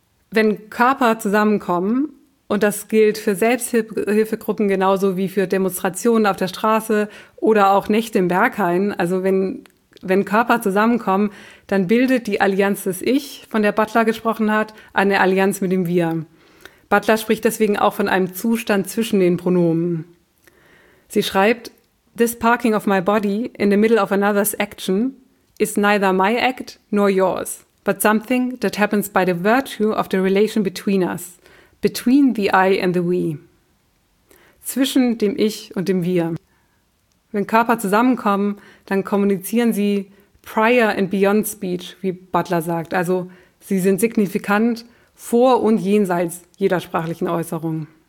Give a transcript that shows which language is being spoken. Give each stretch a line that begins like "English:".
German: Wenn Körper zusammenkommen, und das gilt für Selbsthilfegruppen genauso wie für Demonstrationen auf der Straße oder auch Nächte im Berghain, also wenn Körper zusammenkommen, dann bildet die Allianz des Ich, von der Butler gesprochen hat, eine Allianz mit dem Wir. Butler spricht deswegen auch von einem Zustand zwischen den Pronomen. Sie schreibt,
English: "This parking of my body in the middle of another's action is neither my act nor yours, but something that happens by the virtue of the relation between us, between the I and the we."
German: Zwischen dem Ich und dem Wir. Wenn Körper zusammenkommen, dann kommunizieren sie
English: prior and beyond speech,
German: wie Butler sagt. Also sie sind signifikant vor und jenseits jeder sprachlichen Äußerung.